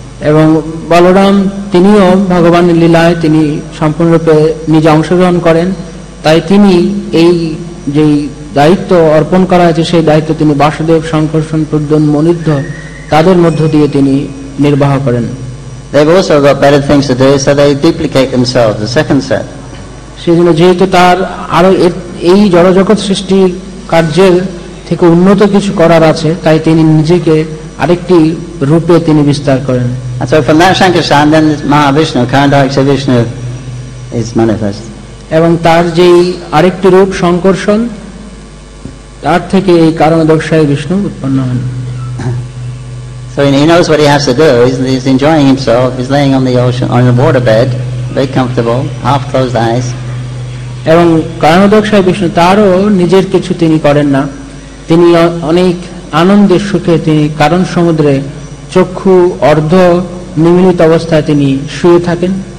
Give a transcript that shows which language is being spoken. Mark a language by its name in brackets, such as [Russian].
[Bangla] এবং বলরাম তিনিও ভগবানের লীলায় তিনি সম্পূর্ণরূপে নিজে অংশগ্রহণ করেন, তাই তিনি এই যে দায়িত্ব অর্পণ করা হয়েছে সেই দায়িত্ব তিনি বাসুদেব, শঙ্করসন, প্রদ্যুম্ন, মনিদ্ধর তাদের মধ্য দিয়ে তিনি নির্বাহ করেন। [English] They also got better things to do, so they duplicate themselves, the second set. [Bangla] সেজন্য যেহেতু তার আরো এই জড়জগৎ সৃষ্টি কার্যের থেকে উন্নত কিছু করার আছে, তাই তিনি নিজেকে আরেকটি রূপে তিনি বিস্তার করেন। [English] So from that Shankarsan, then Mahavishnu, Khandaksha Vishnu is manifest. [Bangla] এবং তার যেই আরেকটি রূপ শঙ্করসন, তার থেকে এই কারণ দর্শায় বিষ্ণু উৎপন্ন হন। [English] So he knows what he has to do. He's enjoying himself. He's laying on the ocean, on the water bed, very comfortable, half closed eyes. [Bangla] এবং কারণ দর্শায় বিষ্ণু তারও নিজের কিছু তিনি করেন না, তিনি অনেক আনন্দে সুখে তিনি কারণ সমুদ্রে চক্ষু অর্ধ নিমিলিত অবস্থায় তিনি শুয়ে থাকেন।